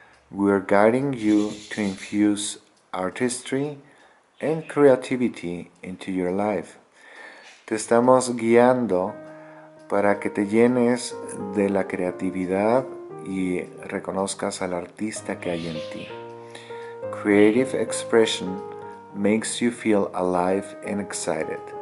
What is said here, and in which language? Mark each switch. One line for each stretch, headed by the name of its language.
English: We are guiding you to infuse artistry and creativity into your life.
Spanish: Te estamos guiando para que te llenes de la creatividad y reconozcas al artista que hay en ti.
English: Creative expression makes you feel alive and excited.